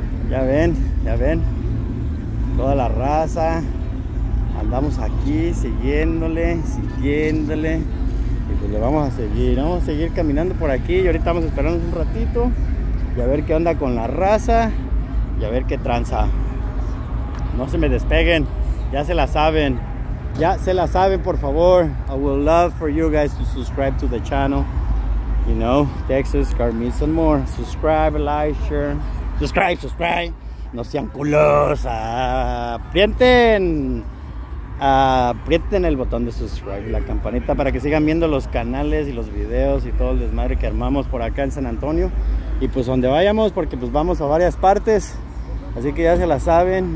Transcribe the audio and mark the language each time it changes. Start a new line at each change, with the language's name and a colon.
Spanish: Ya ven, toda la raza, andamos aquí siguiéndole, y pues le vamos a seguir caminando por aquí, y ahorita vamos a esperarnos un ratito, y a ver qué onda con la raza, y a ver qué tranza. No se me despeguen, ya se la saben, por favor.
English: I would love for you guys to subscribe to the channel, you know, Texas Car Meets and More, subscribe, like, share.
Spanish: Subscribe, no sean culos, aprieten el botón de subscribe, la campanita, para que sigan viendo los canales y los videos y todo el desmadre que armamos por acá en San Antonio, y pues donde vayamos, porque pues vamos a varias partes, así que ya se la saben.